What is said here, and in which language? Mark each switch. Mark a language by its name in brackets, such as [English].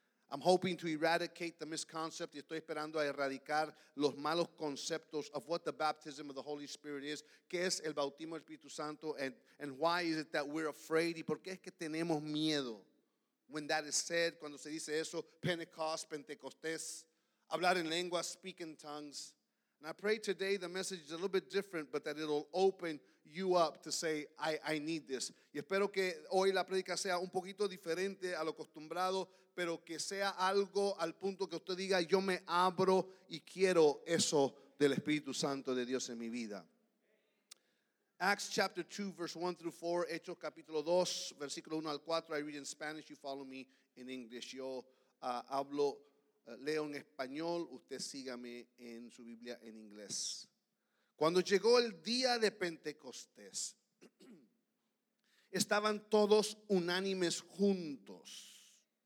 [English] I'm hoping to eradicate the misconcept, [Spanish] y estoy esperando a erradicar los malos conceptos [English] of what the baptism of the Holy Spirit is, [Spanish] qué es el bautismo del Espíritu Santo, [English] and why is it that we're afraid, [Spanish] y por qué es que tenemos miedo. [English] When that is said, [Spanish] cuando se dice eso, [English] Pentecost, Pentecostés, [Spanish] hablar en lenguas, [English] speak in tongues. And I pray today the message is a little bit different, but that it'll open you up to say, I need this. [Spanish] Y espero que hoy la predica sea un poquito diferente a lo acostumbrado, pero que sea algo al punto que usted diga, yo me abro y quiero eso del Espíritu Santo de Dios en mi vida. [English] Acts chapter 2, verse 1 through 4, [Spanish] Hechos capítulo 2, versículo 1 al 4. [English] I read in Spanish, you follow me in English. [Spanish] Yo hablo, leo en español, usted sígame en su Biblia en inglés. Cuando llegó el día de Pentecostés, estaban todos unánimes juntos.